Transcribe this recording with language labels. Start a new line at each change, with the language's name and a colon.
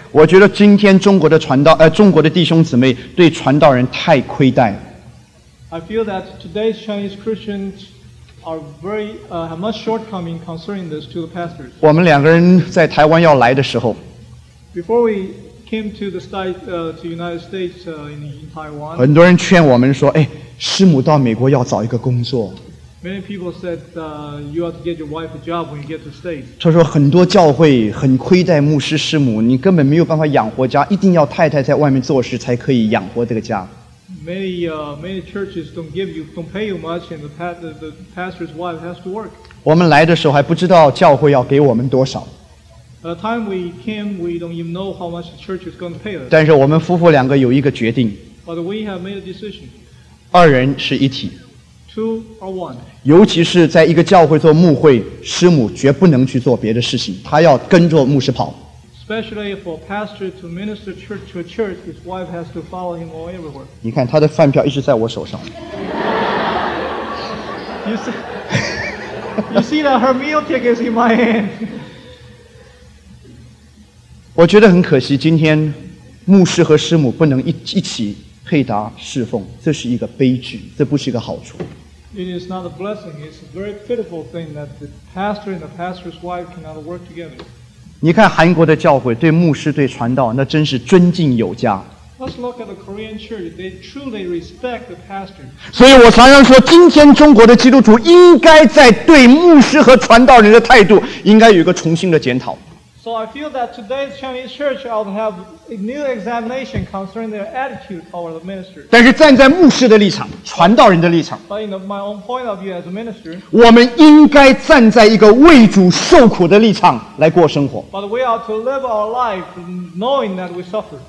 Chinese: 我觉得今天中国的传道，中国的弟兄姊妹对传道人太亏待。
English: I feel that today's Chinese Christians are very, have much shortcoming concerning this to the pastors.
Chinese: 我们两个人在台湾要来的时候。
English: Before we came to the state, to United States, in Taiwan.
Chinese: 很多人劝我们说，哎，师母到美国要找一个工作。
English: Many people said, you ought to get your wife a job when you get to the States.
Chinese: 他说很多教会很亏待牧师师母，你根本没有办法养活家，一定要太太在外面做事才可以养活这个家。
English: Many, many churches don't give you, don't pay you much, and the pastor's wife has to work.
Chinese: 我们来的时候还不知道教会要给我们多少。
English: By the time we came, we don't even know how much the church is going to pay us.
Chinese: 但是我们夫妇两个有一个决定。
English: But we have made a decision.
Chinese: 二人是一体。
English: Two or one.
Chinese: 尤其是在一个教会做牧会，师母绝不能去做别的事情，她要跟着牧师跑。
English: Especially for a pastor to minister church to a church, his wife has to follow him all everywhere.
Chinese: 你看他的饭票一直在我手上。
English: You see that her meal ticket is in my hand.
Chinese: 我觉得很可惜，今天牧师和师母不能一起配搭侍奉，这是一个悲剧，这不是一个好处。
English: It is not a blessing. It's a very pitiful thing that the pastor and the pastor's wife cannot work together.
Chinese: 你看韩国的教会对牧师对传道那真是尊敬有加。
English: Let's look at the Korean church. They truly respect the pastor.
Chinese: 所以我常常说今天中国的基督徒应该在对牧师和传道人的态度应该有一个重新的检讨。
English: So I feel that today's Chinese church ought to have a new examination concerning their attitude toward the minister.
Chinese: 但是站在牧师的立场，传道人的立场。
English: But in my own point of view as a minister,
Chinese: 我们应该站在一个为主受苦的立场来过生活。
English: But we ought to live our life knowing that we suffer.